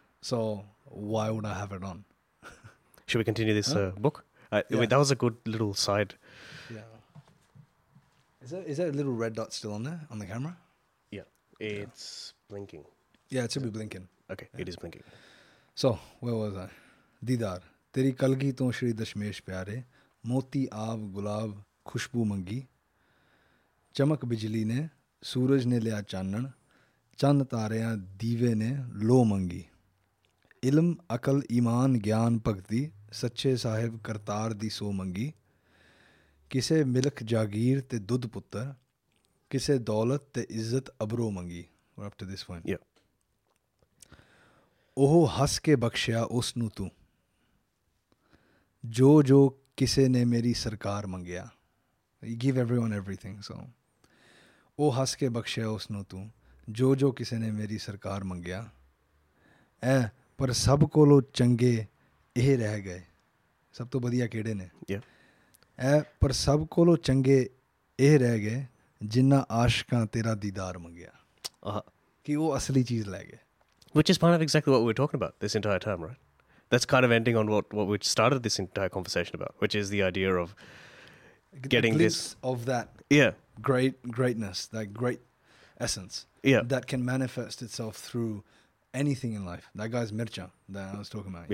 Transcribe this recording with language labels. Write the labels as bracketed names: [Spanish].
[English] So why would I have it on? Should we continue this book? Yeah. Wait, that was a good little side. Yeah. Is that a little red dot still on there, on the camera? Yeah. It's blinking. Yeah, it should be blinking. Okay, yeah. It is blinking. So, where was I? Didar. [Punjabi] ਤੇਰੀ ਕਲਗੀ ਤੋਂ ਸ਼੍ਰੀ ਦਸ਼ਮੇਸ਼ ਪਿਆਰੇ ਮੋਤੀ ਆਵ ਗੁਲਾਬ ਖੁਸ਼ਬੂ ਮੰਗੀ ਚਮਕ ਬਿਜਲੀ ਨੇ ਸੂਰਜ ਨੇ ਲਿਆ ਚਾਨਣ ਚੰਨ ਤਾਰਿਆਂ ਦੀਵੇ ਨੇ ਲੋ ਮੰਗੀ ਇਲਮ ਅਕਲ ਈਮਾਨ ਗਿਆਨ ਭਗਤੀ ਸੱਚੇ ਸਾਹਿਬ ਕਰਤਾਰ ਦੀ ਸੋ ਮੰਗੀ ਕਿਸੇ ਮਿਲਖ ਜਾਗੀਰ ਅਤੇ ਦੁੱਧ ਪੁੱਤਰ ਕਿਸੇ ਦੌਲਤ ਅਤੇ ਇੱਜ਼ਤ ਅਬਰੋ ਮੰਗੀ [English] up to this point [Punjabi] ਉਹ ਹੱਸ ਕੇ ਬਖਸ਼ਿਆ ਉਸ ਨੂੰ ਤੂੰ ਜੋ ਕਿਸੇ ਨੇ ਮੇਰੀ ਸਰਕਾਰ ਮੰਗਿਆ [English] give everyone everything so [Punjabi] ਉਹ ਹੱਸ ਕੇ ਬਖਸ਼ਿਆ ਉਸਨੂੰ ਤੂੰ ਜੋ ਕਿਸੇ ਨੇ ਮੇਰੀ ਸਰਕਾਰ ਮੰਗਿਆ ਐ ਪਰ ਸਭ ਕੋਲੋਂ ਚੰਗੇ ਇਹ ਰਹਿ ਗਏ ਸਭ ਤੋਂ ਵਧੀਆ ਕਿਹੜੇ ਨੇ ਐ ਪਰ ਸਭ ਕੋਲੋਂ ਚੰਗੇ ਇਹ ਰਹਿ ਗਏ ਜਿੰਨਾ ਆਸ਼ਕਾਂ ਤੇਰਾ ਦੀਦਾਰ ਮੰਗਿਆ ਕਿ ਉਹ ਅਸਲੀ ਚੀਜ਼ ਲੈ ਗਏ [English] Which is part of exactly what we talking about this entire term right That's kind of ending on what we started this entire conversation about, which is the idea of getting this of that greatness, that great essence that can manifest itself through anything in life. That guy's Mircha that I was talking about.